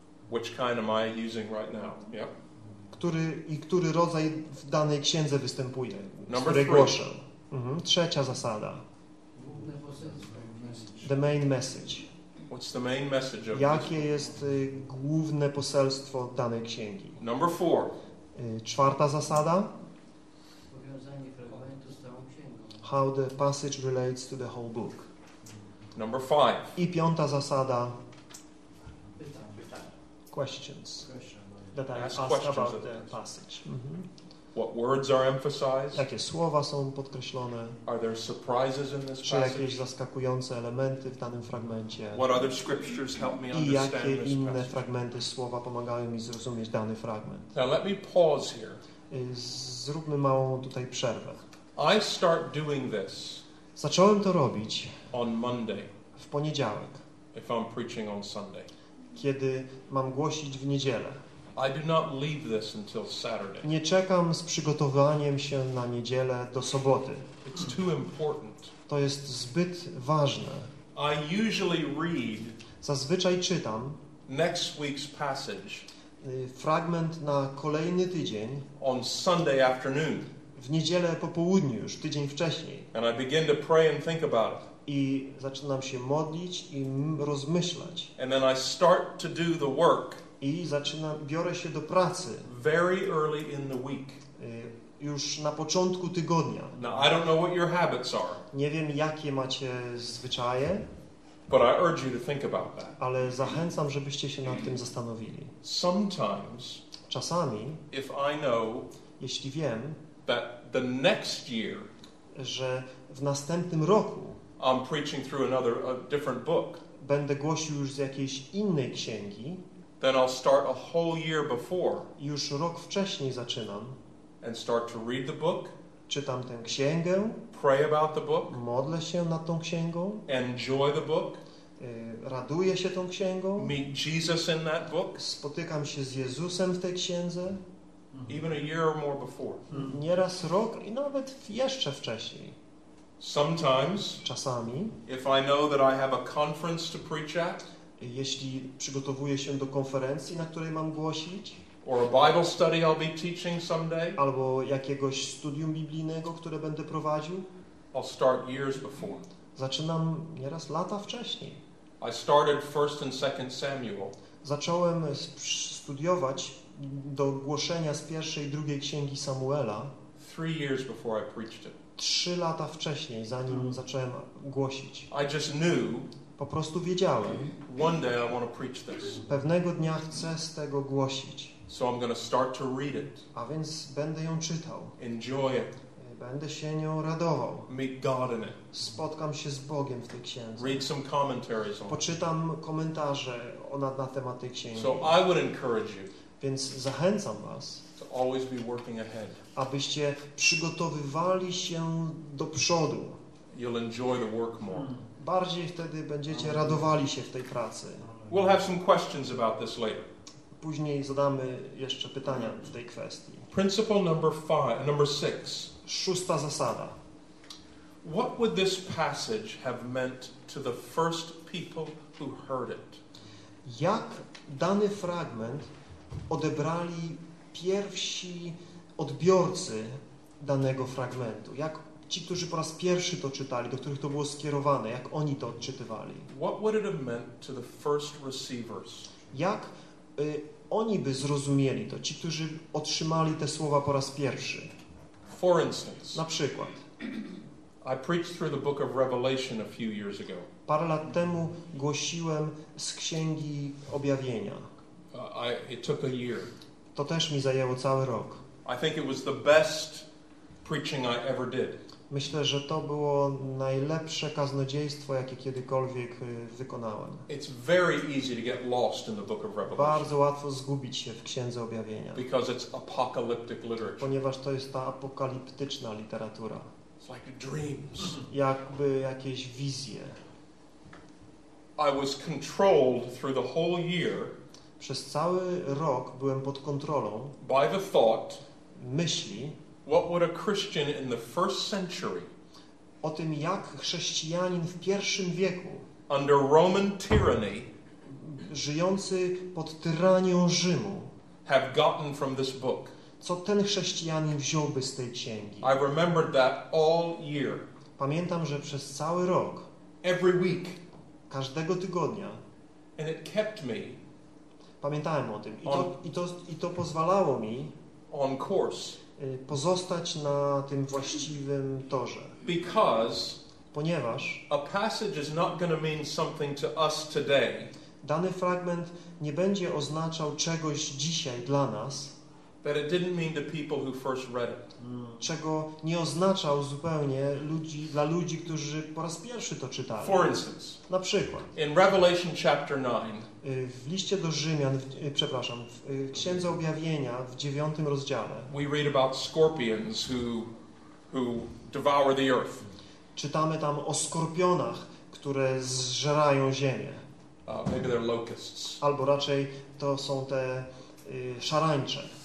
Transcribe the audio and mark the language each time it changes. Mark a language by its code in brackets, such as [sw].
[en] Which kind am I using right now? Yeah. [pl] Który rodzaj w danej księdze występuje? [en] Number three. [pl] Głoszę. Trzecia zasada. Główne poselstwo. [en] The main message. What's the main message of [pl] Jakie [en] this? [pl] Jest główne poselstwo danej księgi? [en] Number four. [pl] Czwarta zasada. Powiązanie fragmentu z całą księgą. [en] How the passage relates to the whole book. Number five. [pl] I piąta zasada. Pytanie. [en] Questions. Question. That I ask about the passage. What words are emphasized? [pl] Jakie słowa są podkreślone? [en] Are there surprises in this passage? [pl] Czy jakieś zaskakujące elementy w danym fragmencie? [en] What other scriptures help me understand [pl] I jakie inne [en] passage? [pl] Fragmenty słowa pomagają mi zrozumieć dany fragment? [en] Now let me pause here. [pl] Zróbmy małą tutaj przerwę. [en] I start doing this. [pl] Zacząłem to robić [en] on Monday. [pl] W poniedziałek. [en] If I'm preaching on Sunday. [pl] Kiedy mam głosić w niedzielę. [en] I do not leave this until Saturday. [pl] Nie czekam z przygotowaniem się na niedzielę do soboty. [en] It's too important. [pl] To jest zbyt ważne. [en] I usually read [pl] zazwyczaj czytam [en] next week's passage [pl] fragment na kolejny tydzień [en] on Sunday afternoon. [pl] W niedzielę po południu, już tydzień wcześniej. [en] And I begin to pray and think about it. [pl] I zaczynam się modlić i rozmyślać. [en] And then I start to do the work. [pl] I zaczynam, biorę się do pracy. [en] Very early in the week. [pl] Już na początku tygodnia. [en] Now, I don't know what your habits are. [pl] Nie wiem, jakie macie zwyczaje. [en] But I urge you to think about that. [pl] Ale zachęcam, żebyście się nad tym zastanowili. [en] Sometimes, [pl] czasami, [en] if I know, [pl] jeśli wiem, [en] that the next year, [pl] że w następnym roku [en] I'm preaching through another, a different book, [pl] będę głosił już z jakiejś innej księgi, [en] then I'll start a whole year before. [pl] Już rok wcześniej zaczynam. [en] And start to read the book. [pl] Czytam tę księgę. [en] Pray about the book. [pl] Modlę się nad tą księgą. [en] Enjoy the book. [pl] Raduję się tą księgą. [en] Meet Jesus in that book. [pl] Spotykam się z Jezusem w tej księdze. [en] Even a year or more before. [pl] Nieraz rok i nawet jeszcze wcześniej. [en] Sometimes. [pl] Czasami. [en] If I know that I have a conference to preach at. [pl] Jeśli przygotowuję się do konferencji, na której mam głosić, [en] or a Bible study I'll be teaching someday, [pl] albo jakiegoś studium biblijnego, które będę prowadził, [en] I'll start years before. [pl] Zaczynam nieraz lata wcześniej. [en] I started first and second Samuel. [pl] Zacząłem studiować do głoszenia z pierwszej i drugiej księgi Samuela [en] 3 years before I preached it. [pl] 3 lata wcześniej, zanim zacząłem głosić. [en] I just knew. [pl] Po prostu wiedziałem. [en] One day I want to preach this. [pl] Pewnego dnia chcę z tego głosić. [en] So I'm going to start to read it. [pl] A więc będę ją czytał. [en] Enjoy it. [pl] Będę się nią radował. [en] Meet God in it. [pl] Spotkam się z Bogiem w tej księdze. [en] Read some commentaries on it. [pl] Poczytam komentarze na temat tej księgi. [en] So I would encourage you. [pl] Więc zachęcam was. [en] To always be working ahead. [pl] Abyście przygotowywali się do przodu. [en] You'll enjoy the work more. [pl] Bardziej wtedy będziecie radowali się w tej pracy. [en] We'll have some questions about this later. [pl] Później zadamy jeszcze pytania w tej kwestii. [en] Principle number five, number six. [pl] Szósta zasada. [en] What would this passage have meant to the first people who heard it? [pl] Jak dany fragment odebrali pierwsi odbiorcy danego fragmentu? Jak ci, którzy po raz pierwszy to czytali, do których to było skierowane, jak oni to odczytywali? [en] What would it have meant to the first receivers? [pl] Jak oni by zrozumieli to, ci, którzy otrzymali te słowa po raz pierwszy? [en] For instance, [pl] na przykład, [en] I preached through the book of Revelation a few years ago. [pl] Parę lat temu głosiłem z Księgi Objawienia. [en] It took a year. [pl] To też mi zajęło cały rok. [en] I think it was the best preaching I ever did. [pl] Myślę, że to było najlepsze kaznodziejstwo, jakie kiedykolwiek wykonałem. [en] It's very easy to get lost in the book of Revelation. [pl] Bardzo łatwo zgubić się w Księdze Objawienia. [en] Because it's apocalyptic literature. [pl] Ponieważ to jest ta apokaliptyczna literatura. [en] It's like dreams. [pl] Jakby jakieś wizje. [en] I was controlled through the whole year. [pl] Przez cały rok byłem pod kontrolą [en] by the thought, [pl] myśli, [en] what would a Christian in the first century, [pl] o tym, jak chrześcijanin w pierwszym wieku, [en] under Roman tyranny, [pl] żyjący pod tyranią Rzymu, [en] have gotten from this book. [pl] Co ten chrześcijanin wziąłby z tej księgi? [en] I remembered that all year. [pl] Pamiętam, że przez cały rok, [en] every week, [pl] każdego tygodnia, [en] and it kept me. [pl] Pamiętałem o tym. I to pozwalało mi [en] on course. [pl] Pozostać na tym właściwym torze. [en] Because [pl] ponieważ [en] a passage is not going to mean something to us today. [pl] Dany fragment nie będzie oznaczał czegoś dzisiaj dla nas. [en] That it didn't mean to people who first read it. [pl] Czego nie oznaczał zupełnie dla ludzi, którzy po raz pierwszy to czytali. [en] For instance, [pl] na przykład [en] in Revelation chapter 9, [pl] w liście do Rzymian, przepraszam, w Księdze Objawienia w 9 rozdziale [en] we read about scorpions who devour the earth. [pl] Czytamy tam o skorpionach, które zżerają ziemię. [en] Maybe they're locusts. [pl] Albo raczej to są te szarańcze.